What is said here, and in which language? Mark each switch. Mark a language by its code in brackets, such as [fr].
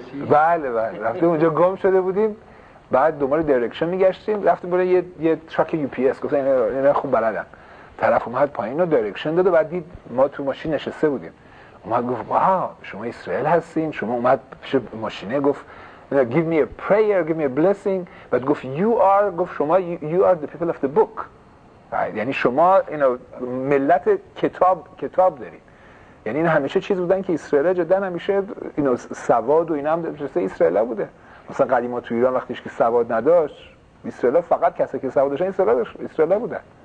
[fa] بله بله، رفته اونجا گم شده بودیم، بعد دوباره دایرکشن میگشتیم، رفتیم برای یه تراک یو پی اس، گفتن اینا خوب بلدن. طرف اومد پایین و دایرکشن داد و بعد دید ما تو ماشین نشسته بودیم. اومد گفت واه شما اسرائیل هستین، شما اومد پیش ماشینه گفت [en] give me a prayer, give me a blessing. [fa] بعد گفت [en] you are the people of the book. [fa] یعنی شما اینا ملت کتاب دارید. یعنی این همیشه چیز بودن که اسرائیل جدن همیشه اینا سواد و اینا هم درسته اسرائیل بوده. مثلا قدیما تو ایران وقتیش که سواد نداشت، اسرائیل فقط کسی که سواد داشت اسرائیل بوده.